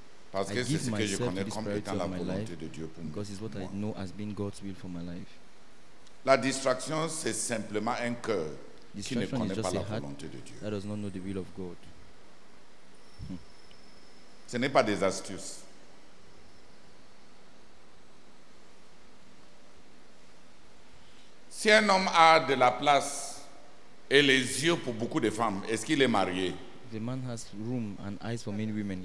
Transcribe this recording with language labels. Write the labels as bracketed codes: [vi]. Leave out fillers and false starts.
[fr] Parce que c'est ce que je connais comme étant la volonté de Dieu pour moi. [en] Because it's what I know has been God's will for my life. [fr] La distraction, c'est simplement un cœur qui ne connaît pas la volonté de Dieu. [en] That does not know the will of God. [fr] Ce n'est pas des astuces. Si un homme a de la place et les yeux pour beaucoup de femmes, est-ce qu'il est marié? [en] The man has room and eyes for many women.